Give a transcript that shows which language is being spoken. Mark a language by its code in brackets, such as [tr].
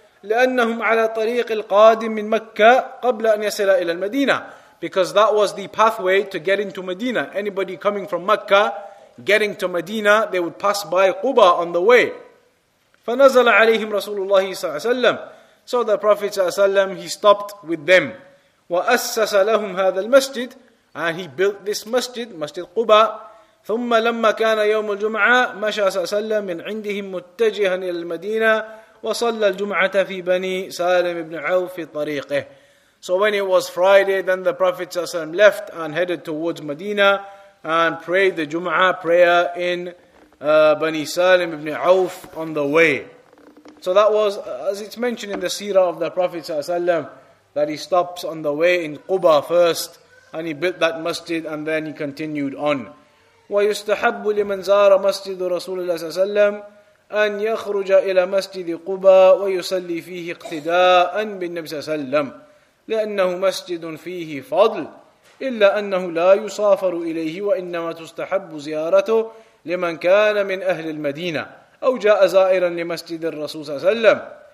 [ar] لأنهم على طريق القادم من مكة قبل أن يصل إلى المدينة. [en] Because that was the pathway to get into Medina. Anybody coming from Mecca, getting to Medina, they would pass by Quba on the way. [ar] فنزل عليهم رسول الله صلى الله عليه وسلم. [en] So the Prophet [ar] صلى الله عليه وسلم, [en] he stopped with them. [ar] وأسس لهم هذا المسجد. [en] And he built this masjid, Masjid قبا. [ar] ثم لما كان يوم الجمعة مشى صلى الله عليه وسلم من عندهم متجها إلى المدينة. وَصَلَّ الْجُمْعَةَ فِي بَنِي سَالِمِ بْنِ عَوْفِ فِي طَرِيقِهِ. [en] So when it was Friday, then the Prophet ﷺ left and headed towards Medina and prayed the Jum'ah prayer in Bani Salim ibn Awf on the way. So that was, as it's mentioned in the seerah of the Prophet ﷺ, that he stops on the way in Quba first and he built that masjid and then he continued on. [ar] وَيُسْتَحَبُّ لِمَنْ زَارَ مَسْجِدُ رَسُولِ اللَّهِ صَلَّى اللَّهُ عَلَيْهِ وَسَلَّمَ أن يخرج إلى مسجد قباء ويصلي فيه اقتداء بالنبي صلى الله عليه وسلم لأنه مسجد فيه فضل إلا أنه لا يسافر إليه وإنما تستحب زيارته لمن كان من أهل المدينة أو جاء زائرا لمسجد الرسول صلى الله عليه وسلم.